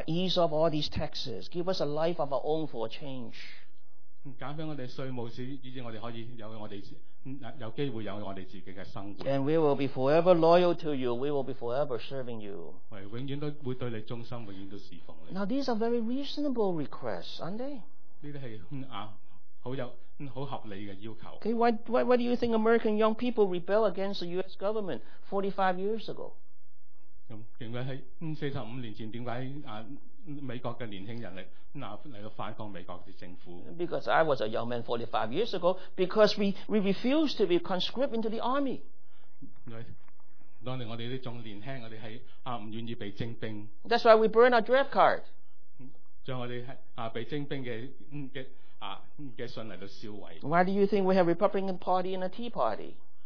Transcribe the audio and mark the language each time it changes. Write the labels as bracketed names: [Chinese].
[English] Ease off all these taxes, give us a life of our own for a change. [Cantonese] 减轻我哋税务，以致我哋可以有我哋有机会有我哋自己嘅生活。 [English] And we will be forever loyal to you. We will be forever serving you. [Cantonese] 系永远都会对你忠心，永远都侍奉你。 [English] Now these are very reasonable requests, aren't they? [Cantonese] 呢啲系好合理嘅要求。 [English] Okay, why do you think American young people rebel against the U.S. government 45 years ago? [Cantonese] 咁點解喺45年前點解美國嘅年輕人嚟到反抗美國嘅政府 [English] ？Because I was a young man 45 years ago. Because we refused to be conscripted into the army. [Cantonese] 當年我哋啲仲年輕，我哋係唔願意被徵兵。 [English] That's why we burned our draft card. [Cantonese] 將我哋被徵兵嘅信嚟到燒毀。 [English] Why do you think we have Republican Party and a Tea Party?